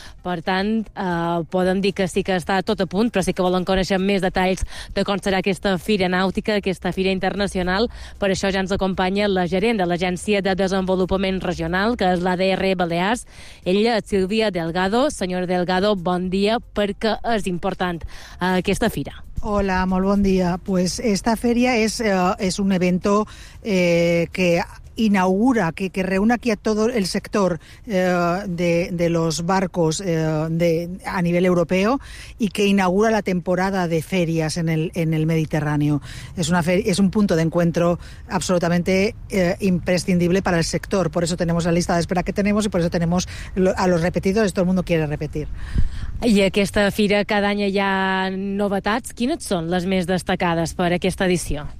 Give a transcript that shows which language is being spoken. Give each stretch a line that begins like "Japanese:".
Catalan: Per tant, podem dir que sí que està tot a punt, però sí que volen conèixer més detalls de com serà aquesta fira nàutica, aquesta fira internacional. Per això ja ens acompanya la gerent de l'Agència de Desenvolupament Regional, que és l'ADR Balears, ella, Sílvia Delgado. Senyora Delgado, bon dia, perquè és important aquesta fira. Hola, molt bon dia.
Spanish: Pues esta feria es un evento que inaugura, que reúne aquí a todo el sector de los barcos a nivel europeo y que inaugura la temporada de ferias en el Mediterráneo. Es un punto de encuentro absolutamente imprescindible para el sector. Por eso tenemos la lista de espera que tenemos y por eso tenemos a los repetidos, todo el mundo quiere repetir.
Catalan: I aquesta fira cada any hi ha novetats. Quines són les més destacades per aquesta edició?